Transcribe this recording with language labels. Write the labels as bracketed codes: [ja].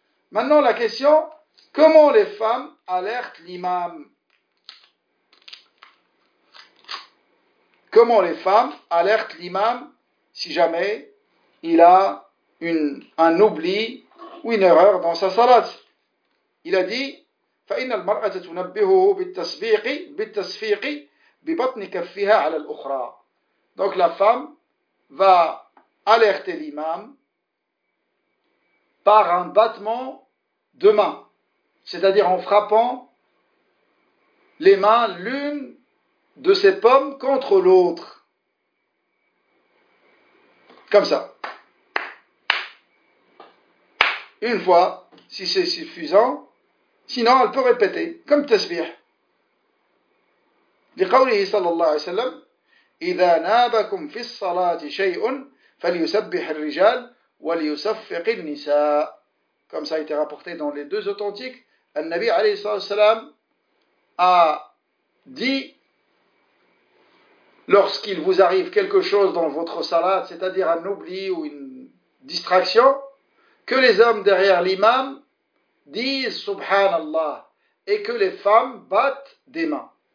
[fr] Maintenant, la question, comment les femmes alertent l'imam ? Comment les femmes alertent l'imam si jamais il a un oubli ou une erreur dans sa salat ? Il a dit, [ar] فَإِنَّ الْمَرْأَةَ تُنَبِّهُهُ بِالتَّصْفِيقِ بِبَطْنِ كَفِّهَا عَلَى الْأُخْرَى. [fr] Donc la femme va alerter l'imam par un battement de main, c'est-à-dire en frappant les mains l'une de ses paumes contre l'autre. Comme ça. Une fois, si c'est suffisant. Sinon, elle peut répéter, comme tasbih. [ar] لقوله صلى الله عليه وسلم إذا نابكم في الصلاة شيء فليسبح الرجال وليصفق النساء. [fr] Comme ça a été rapporté dans les deux authentiques, le Nabi alayhi salatu wasalam a dit, lorsqu'il vous arrive quelque chose dans votre salat, c'est-à-dire un oubli ou une distraction, que les hommes derrière l'imam disent Subhanallah et que les femmes battent des mains.